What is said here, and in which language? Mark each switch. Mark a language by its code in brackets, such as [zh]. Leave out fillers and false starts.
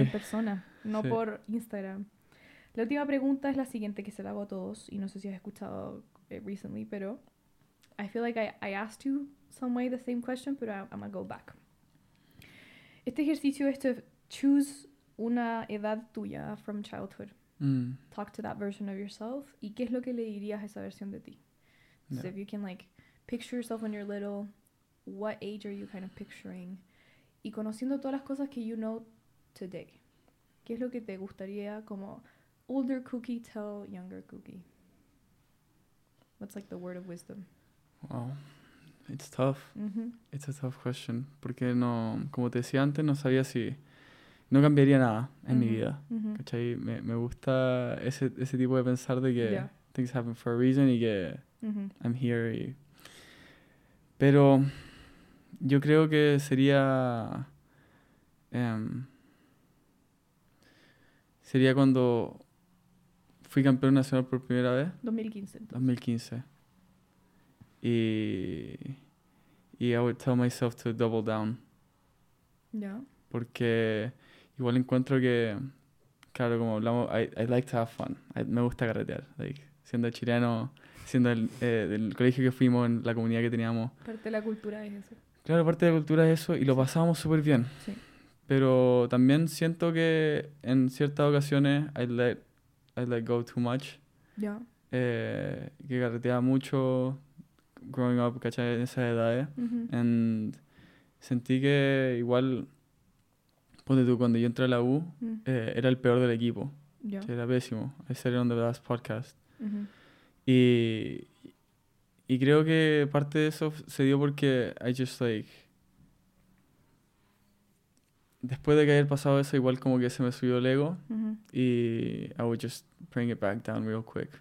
[es] en persona, no sí. por Instagram. La última pregunta es la siguiente, que se la hago a todos, y no sé si has escuchado recently, pero [en] I feel like I asked you some way the same question, but I'm gonna go back. [es] Este ejercicio es [en] to choose [es] una edad tuya [en] from childhood. Mm. Talk to that version of yourself. [es] ¿Y qué es lo que le dirías a esa versión de ti? [en] Yeah. So if you can like picture yourself when you're little, what age are you kind of picturing? [es] Y conociendo todas las cosas que [en] you know today, [es] ¿qué es lo que te gustaría como [en] older Cookie tell younger Cookie? What's like the word of wisdom? Wow, it's tough. Mm-hmm. It's a tough question. [es] Porque no, como te decía antes, no sabía si... No cambiaría nada en mm-hmm. mi vida, mm-hmm. ¿cachai? Me gusta ese tipo de pensar de que [en] yeah. things happen for a reason [es] y que mm-hmm. [en] I'm here. [es] Y... Pero yo creo que sería... sería cuando fui campeón nacional por primera vez. 2015. [en] Y I would tell myself to double down. Yeah. [es] Porque... Igual encuentro que, claro, como hablamos, [en] I like to have fun. [es] Me gusta carretear. Like, siendo chileno, siendo del colegio que fuimos, en la comunidad que teníamos. Parte de la cultura es eso. Claro, parte de la cultura es eso y lo pasábamos súper bien. Sí. Pero también siento que en ciertas ocasiones [en] I let go too much. [es] Ya. Que carreteaba mucho [en] growing up, [es] ¿cachai? En esas edades. Uh-huh. And sentí que igual... Ponte tú, cuando yo entré a la U, era el peor del equipo. [en] Yeah. [es] Que era pésimo. [en] I said it on the last podcast. Mm-hmm. [es] Y creo que parte de eso se dio porque [en] I just like... [es] Después de que haya pasado eso, igual como que se me subió el ego. Mm-hmm. [en] Y I would just bring it back down real quick.